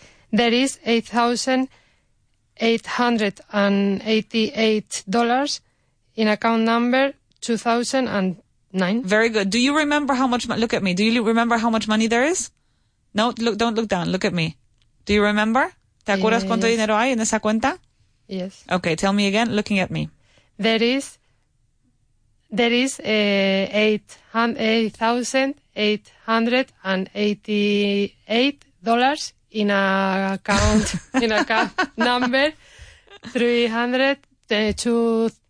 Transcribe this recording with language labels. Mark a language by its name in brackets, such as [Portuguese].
[English] There is 8,888 dollars in account number 209. Very good. Do you remember how much look at me. Do you remember how much money there is? No, look, don't look down. Look at me. Do you remember? [Spanish] ¿Te acuerdas cuánto dinero hay en esa cuenta? [English] Yes. Okay, tell me again, looking at me. There is 8,888 dollars in a account in account number 302.